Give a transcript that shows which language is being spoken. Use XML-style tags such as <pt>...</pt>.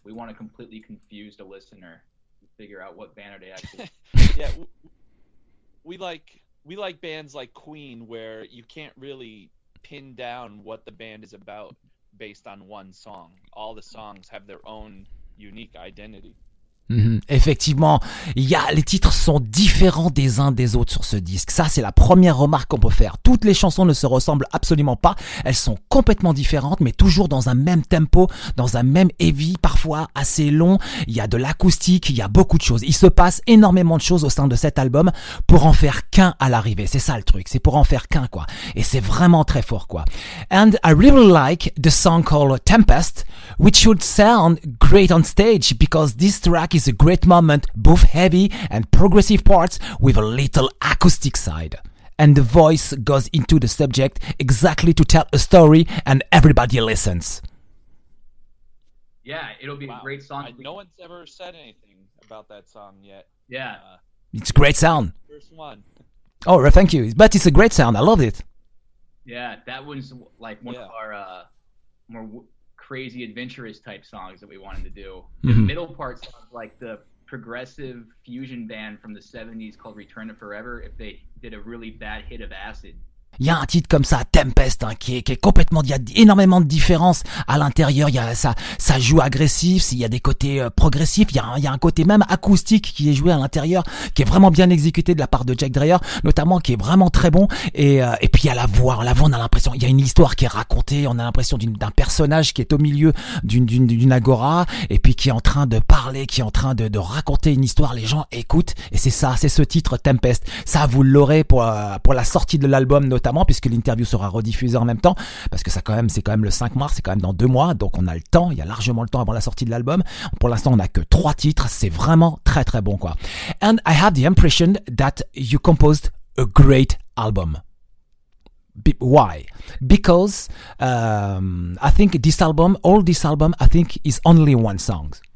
<en>We want to completely confuse the listener to figure out what banner they actually... Yeah, we like bands like Queen, where you can't really pin down what the band is about based on one song. All the songs have their own unique identity.</en> <fr>Effectivement, les titres sont différents des uns des autres sur ce disque. Ça, c'est la première remarque qu'on peut faire. Toutes les chansons ne se ressemblent absolument pas. Elles sont complètement différentes, mais toujours dans un même tempo, dans un même heavy, parfois assez long. Il y a de l'acoustique, il y a beaucoup de choses. Il se passe énormément de choses au sein de cet album pour en faire qu'un à l'arrivée. C'est ça le truc, c'est pour en faire qu'un, quoi. Et c'est vraiment très fort, quoi.</fr> <en>And I really like the song called Tempest, which should sound great on stage because this track is a great moment, both heavy and progressive parts with a little acoustic side, and the voice goes into the subject exactly to tell a story, and everybody listens. Yeah, it'll be a great song. No one's ever said anything about that song yet. Yeah, it's great sound. First one. Oh, well, thank you. But it's a great sound. I love it. Yeah, that was like one of our more crazy adventurous type songs that we wanted to do. The middle part sounds like the progressive fusion band from the 70s called Return to Forever if they did a really bad hit of acid.</en> <fr>Il y a un titre comme ça, Tempest, hein, qui est complètement, il y a énormément de différences à l'intérieur. Il y a ça joue agressif, il y a des côtés progressifs, il y a un côté même acoustique qui est joué à l'intérieur, qui est vraiment bien exécuté de la part de Jack Dreyer, notamment, qui est vraiment très bon. Et puis il y a la voix, on a l'impression, il y a une histoire qui est racontée, on a l'impression d'un personnage qui est au milieu d'une agora, et puis qui est en train de parler, qui est en train de raconter une histoire, les gens écoutent, et c'est ça, c'est ce titre Tempest. Ça, vous l'aurez pour la sortie de l'album, notamment puisque l'interview sera rediffusée en même temps, parce que ça quand même, c'est quand même le 5 mars, c'est quand même dans 2 mois, donc on a le temps, il y a largement le temps avant la sortie de l'album. Pour l'instant, on n'a que 3 titres, c'est vraiment très très bon, quoi.</fr> <en>And I have the impression that you composed a great album. Why? Because I think this album, I think is only one song.</en>